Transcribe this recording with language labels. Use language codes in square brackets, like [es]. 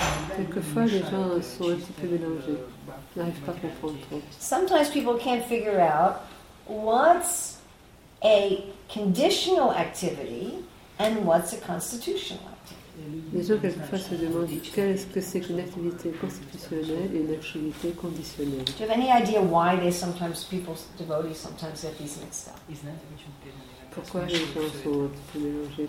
[fr] Quelquefois, les gens sont un petit peu mélangés. Ils n'arrivent pas à comprendre trop. [en] Sometimes people can't figure out what's a conditional activity and what's a constitutional activity? [fr] Les gens quelquefois se demandent qu'est-ce que c'est qu'une activité constitutionnelle et une activité conditionnelle. [en] Do you have any idea why they sometimes people devotees sometimes get these mixed up? [fr] Pourquoi les gens sont un petit peu mélangés?